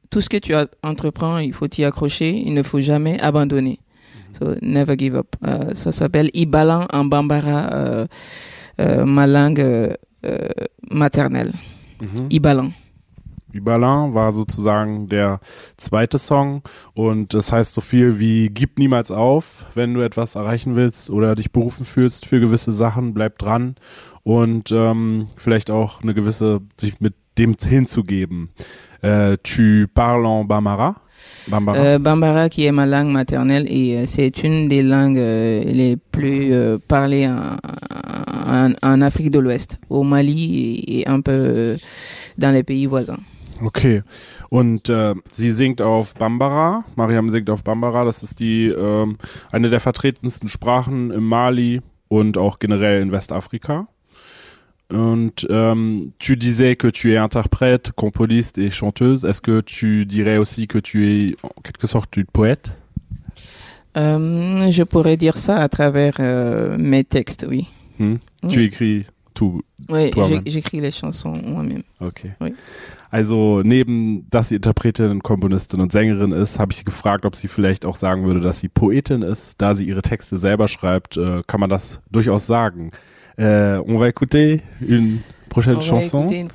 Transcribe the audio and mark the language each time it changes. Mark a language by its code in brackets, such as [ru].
[fr] Tout ce que tu entreprends, il faut t'y accrocher, il ne faut jamais abandonner. [en] So, never give up. [fr] Ça s'appelle Ibalan en Bambara, ma langue maternelle. Mm-hmm. Ibalan. [de] Ibalan war sozusagen der zweite Song und das heißt so viel wie gib niemals auf, wenn du etwas erreichen willst oder dich berufen fühlst für gewisse Sachen, bleib dran und vielleicht auch eine gewisse, sich mit dem hinzugeben. [fr] Tu parles en Bambara? Bambara. Bambara qui est ma langue maternelle et c'est une des langues les plus parlées en Afrique de l'Ouest, au Mali et un peu dans les pays voisins. [de] Ok, und sie singt auf Bambara, Mariam singt auf Bambara, das ist die eine der vertretensten Sprachen im Mali und auch generell in Westafrika. [fr] Und tu disais que tu es interprète, componiste et chanteuse. Est-ce que tu dirais aussi que tu es en quelque sorte une poète? Je pourrais dire ça à travers mes textes, oui. Mmh. Oui. Tu écris tout, oui, toi-même? Oui, j'écris les chansons moi-même. Ok. Oui. [de] Also neben, dass sie Interpretin, Komponistin und Sängerin ist, habe ich sie gefragt, ob sie vielleicht auch sagen würde, dass sie Poetin ist. Da sie ihre Texte selber schreibt, kann man das durchaus sagen. [fr] On va écouter une prochaine chanson.